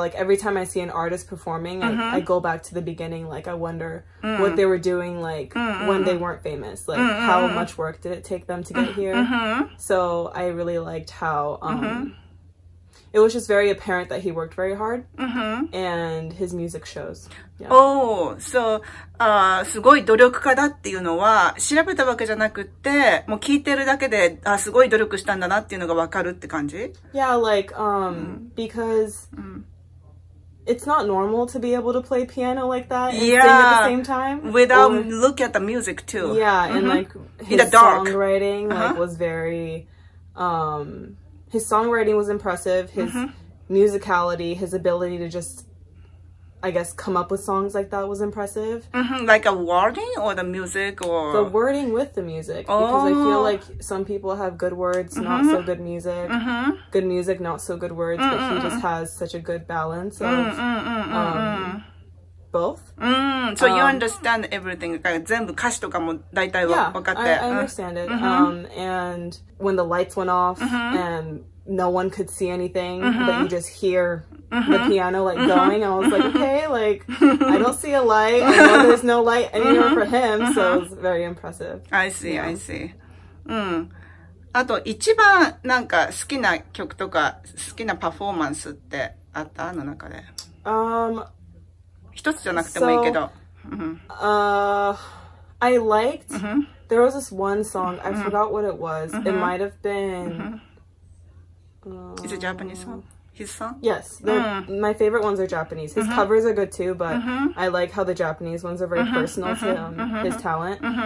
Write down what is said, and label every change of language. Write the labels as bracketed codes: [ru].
[en] Like every time I see an artist performing, I go back to the beginning. Like I wonder what they were doing like when they weren't famous. Like how much work did it take them to get here? So I really liked how it was just very apparent that he worked very hard and his music shows. [ja] Oh, so, すごい努力家だっていうのは調べたわけじゃなくて、もう聞いてるだけで、あ、すごい努力したんだなっていうのがわかるって感じ? [en] Yeah, like, because it's not normal to be able to play piano like that and sing at the same time. Without look at the music too. Yeah, and like, his songwriting like, was very, his songwriting was impressive, his musicality, his ability to just, I guess, come up with songs like that was impressive. Like a wording or the music or? The wording with the music. Because I feel like some people have good words, not so good music. Good music, not so good words. But he just has such a good balance of both. So you understand everything. [ja] 全部歌詞とかも大体分かって。 [en] Yeah, I understand it. And when the lights went off and no one could see anything, but you just hear the piano like going, and I was like, okay, like, I don't see a light. I know there's no light anywhere for him, so it was very impressive. I see, I see. [ja] あと一番なんか好きな曲とか好きなパフォーマンスってあった?あの中で。一つじゃなくてもいいけど。 [en] I liked, there was this one song, I forgot what it was. It might have been... Is it Japanese song? His song? Yes. My favorite ones are Japanese. His covers are good too, but I like how the Japanese ones are very personal to him, his talent.